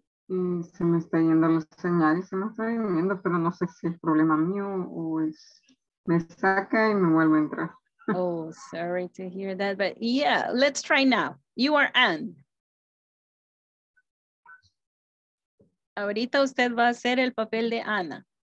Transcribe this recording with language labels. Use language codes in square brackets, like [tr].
[es] Y se me está yendo la señal y se me está yendo, pero no sé si es problema mío o es, me saca y me vuelve a entrar. [en] Oh, sorry to hear that, but yeah, let's try now. You are Anne. [es] Ahorita usted va a hacer el papel de Ana.